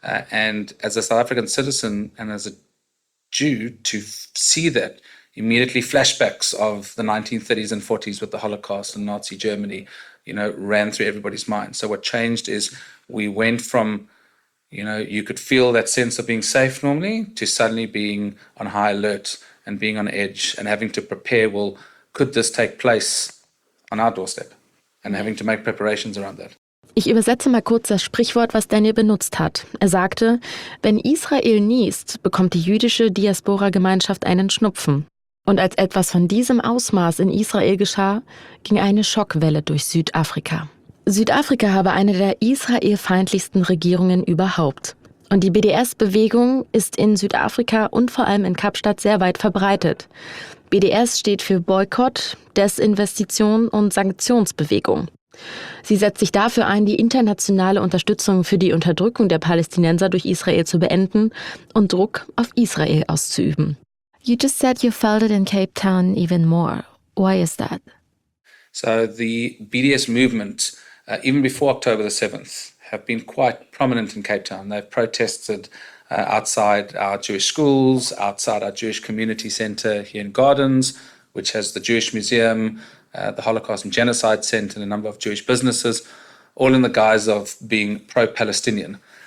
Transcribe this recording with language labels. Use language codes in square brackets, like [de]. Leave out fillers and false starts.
[en] And as a South African citizen and as a Jew, to see that immediately flashbacks of the 1930s and 40s with the Holocaust and Nazi Germany, you know, ran through everybody's mind. So what changed is we went from, you know, you could feel that sense of being safe normally to suddenly being on high alert and being on edge and having to prepare, well, could this take place on our doorstep? And having to make preparations around that. [de] Ich übersetze mal kurz das Sprichwort, was Daniel benutzt hat. Er sagte, wenn Israel niest, bekommt die jüdische Diaspora-Gemeinschaft einen Schnupfen. Und als etwas von diesem Ausmaß in Israel geschah, ging eine Schockwelle durch Südafrika. Südafrika habe eine der israelfeindlichsten Regierungen überhaupt. Und die BDS-Bewegung ist in Südafrika und vor allem in Kapstadt sehr weit verbreitet. BDS steht für Boykott, Desinvestition und Sanktionsbewegung. Sie setzt sich dafür ein, die internationale Unterstützung für die Unterdrückung der Palästinenser durch Israel zu beenden und Druck auf Israel auszuüben. [en] You just said you felt it in Cape Town even more. Why is that? So the BDS movement, even before October the 7th, have been quite prominent in Cape Town. They've protested outside our Jewish schools, outside our Jewish community center here in Gardens, which has the Jewish Museum, the Holocaust and Genocide Center, and a number of Jewish businesses, all in the guise of being pro-Palestinian.